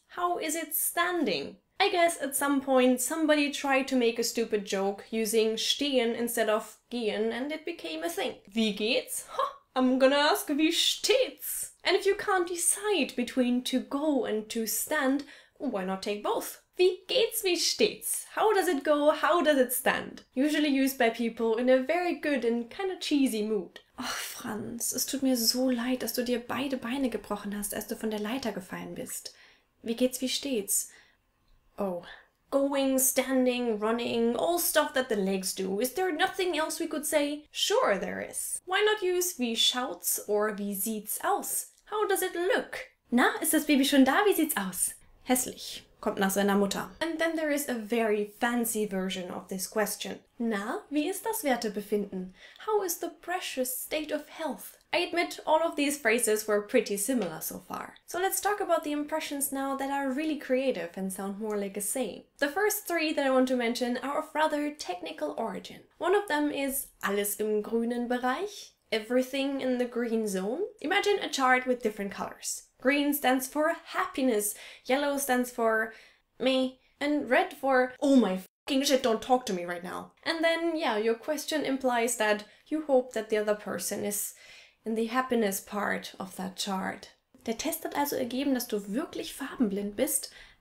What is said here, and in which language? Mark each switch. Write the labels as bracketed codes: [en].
[en] How is it standing? I guess at some point somebody tried to make a stupid joke using stehen instead of gehen and it became a thing. [de] Wie geht's? [en] Huh, I'm gonna ask [de] wie steht's? [en] And if you can't decide between to go and to stand, why not take both? [de] Wie geht's, wie steht's? [en] How does it go, how does it stand? Usually used by people in a very good and kind of cheesy mood. [de] Ach Franz, es tut mir so leid, dass du dir beide Beine gebrochen hast, als du von der Leiter gefallen bist. Wie geht's, wie steht's? Oh. [en] Going, standing, running, all stuff that the legs do. Is there nothing else we could say? Sure there is. Why not use [de] wie schaut's [en] or [de] wie sieht's aus? [en] How does it look? [de] Na, ist das Baby schon da? Wie sieht's aus? Hässlich. Kommt nach seiner Mutter. [en] And then there is a very fancy version of this question. [de] Na, wie ist das Wertebefinden? [en] How is the precious state of health? I admit, all of these phrases were pretty similar so far. So let's talk about the impressions now that are really creative and sound more like a saying. The first three that I want to mention are of rather technical origin. One of them is [de] alles im grünen Bereich, [en] everything in the green zone. Imagine a chart with different colors. Green stands for happiness, yellow stands for me, and red for oh my fucking shit, don't talk to me right now. And then, yeah, your question implies that you hope that the other person is in the happiness part of that chart. [de] Der Test hat also ergeben, dass du wirklich farbenblind bist.